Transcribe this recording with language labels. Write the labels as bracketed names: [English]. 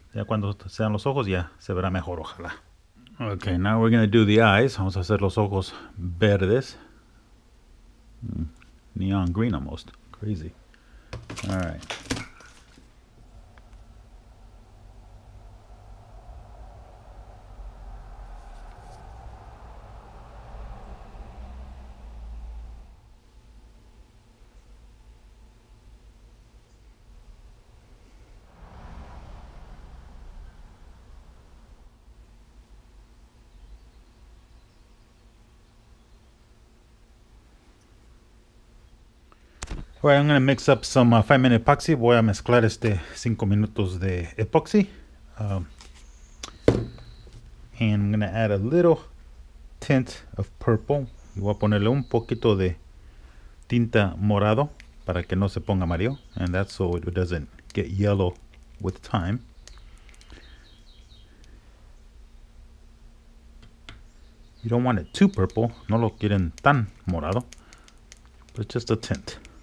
[Spanish] Ya cuando sean los ojos, ya se verá mejor, ojalá. [English] Okay, now we're going to do the eyes. [Spanish] Vamos a hacer los ojos verdes. [English] Neon green almost. Crazy. All right. Right, I'm going to mix up some 5-minute epoxy. [Spanish] Voy a mezclar 5 minutos de epoxy. [English] And I'm going to add a little tint of purple. [Spanish] Y voy a ponerle un poquito de tinta morado para que no se ponga amarillo. [English] And that's so it doesn't get yellow with time. You don't want it too purple. [Spanish] No lo quieren tan morado. [English] But just a tint.